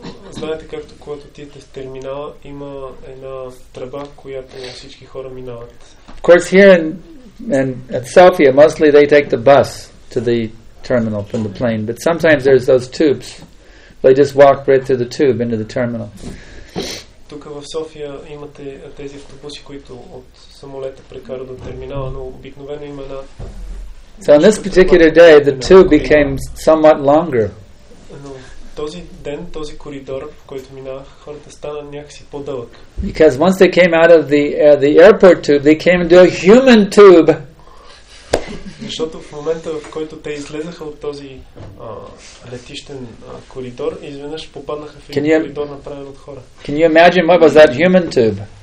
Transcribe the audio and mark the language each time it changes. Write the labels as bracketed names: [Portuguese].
[Bulgarian] Знаете, както когато отидете в терминала, има една тръба, която всички хора минават. [English] Of course, here in at Sofia, mostly they take the bus to the terminal from the plane, but sometimes there's those tubes. They just walk right through the tube into the terminal. [Bulgarian] Тука в София имате тези автобуси, които от самолета прекарват до терминала, но обикновено има една. [English] So on this particular day, the tube became somewhat longer. [Bulgarian] Но този ден, този коридор, в който минавах, хората стана някакси по-дълъг. [English] Because once they came out of the airport tube, they came into a human tube. [Bulgarian] Защото в момента, в който те излезаха от този летищен коридор, изведнъж попаднаха в един коридор, направен от хора. [English] Can you imagine what was that human tube?